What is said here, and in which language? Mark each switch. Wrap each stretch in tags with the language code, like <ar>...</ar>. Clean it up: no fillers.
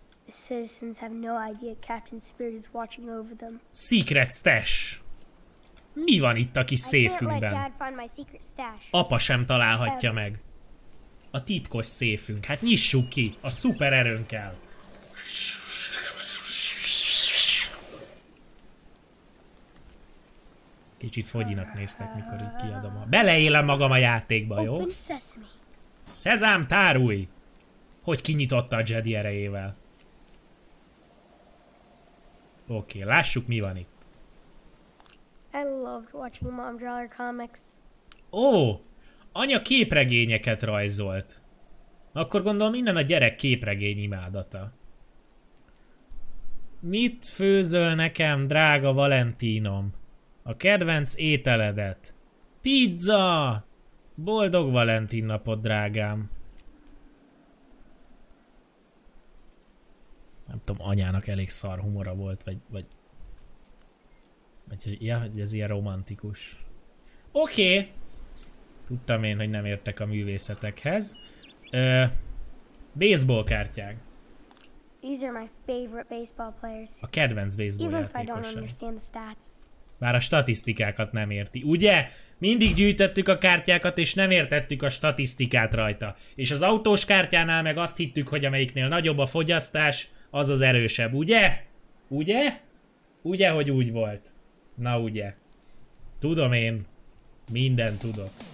<en>The citizens have no idea Captain Spirit is watching over them. Secret stash!</en> <hu>Mi van itt a kis széfünkben? Apa sem találhatja meg. A titkos széfünk. Hát nyissuk ki! A szuper erőnkkel! Kicsit fogyinak néztek, mikor így kiadom a... Beleélem magam a játékba, jó? Szezám, tárulj! Hogy kinyitotta a Jedi erejével? Oké, lássuk, mi van itt.</hu> <en>I loved watching Mom draw her comics.</en> <hu>Ó, anya képregényeket rajzolt. Akkor gondolom, minden a gyerek képregény imádata. Mit főzöl nekem, drága Valentínom? A kedvenc ételedet. Pizza! Boldog Valentin napot, drágám. Nem tudom, anyának elég szar humora volt, vagy ja, ez ilyen romantikus. Oké! Tudtam én, hogy nem értek a művészetekhez. Baseball kártyák.</hu> <en>These are my favorite baseball players.</en> <hu>A kedvenc baseball játékosok. Bár a statisztikákat nem érti, ugye? Mindig gyűjtöttük a kártyákat, és nem értettük a statisztikát rajta. És az autós kártyánál meg azt hittük, hogy amelyiknél nagyobb a fogyasztás, az az erősebb, ugye? Ugye? Ugye, hogy úgy volt? Na ugye. Tudom én. Minden tudok.</hu>